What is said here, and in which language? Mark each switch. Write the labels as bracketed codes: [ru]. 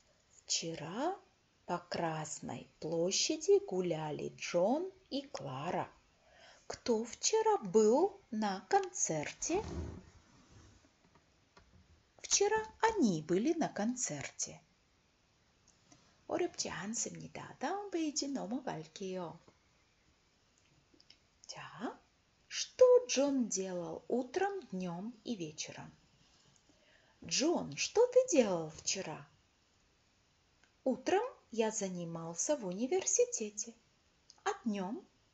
[ru] Вчера по Красной площади гуляли Джон и Клара. Кто вчера был на концерте? Вчера они были на концерте. [ko] 어렵지 않습니다. 다음 페이지 넘어갈게요. 자, [ru] что Джон делал утром, днем и вечером? Джон, что ты делал вчера? Утром я занимался в университете, а днем?